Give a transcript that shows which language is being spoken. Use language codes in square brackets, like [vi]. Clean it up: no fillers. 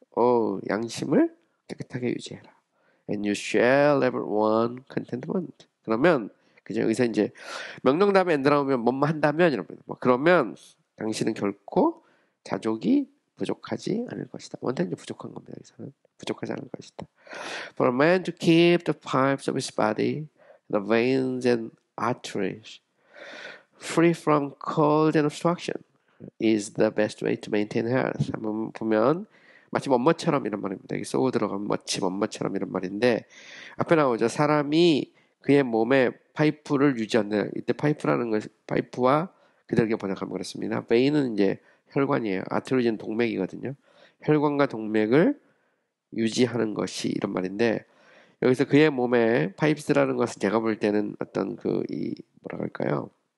[ko] Oh, 양심을 깨끗하게 유지해라. [en] And you shall have one contentment. [ko] 그러면 그죠? 여기서 이제 명령 다음에 엔드 나오면 뭐뭐 한다면 이런 거예요. 뭐 그러면 당신은 결코 자족이 부족하지 않을 것이다. 원태는 부족한 겁니다. 여기서는 부족하지 않을 것이다. [en] For a man to keep the pipes of his body, the veins and arteries free from cold and obstruction is the best way to maintain health. [ko] 한번 보면 마치 뭐뭐처럼 이런 말입니다. 여기 쏘고 들어가면 마치 뭐뭐처럼 이런 말인데 앞에 나오죠. 사람이 그의 몸에 파이프를 유지한다. 이때 파이프라는 것, 파이프와 그대로 번역하면 그렇습니다. 베인은 이제 혈관이에요. 아트로지는 동맥이거든요. 혈관과 동맥을 유지하는 것이 이런 말인데 여기서 그의 몸에 파이프스라는 것은 제가 볼 때는 어떤 그이 뭐라 할까요?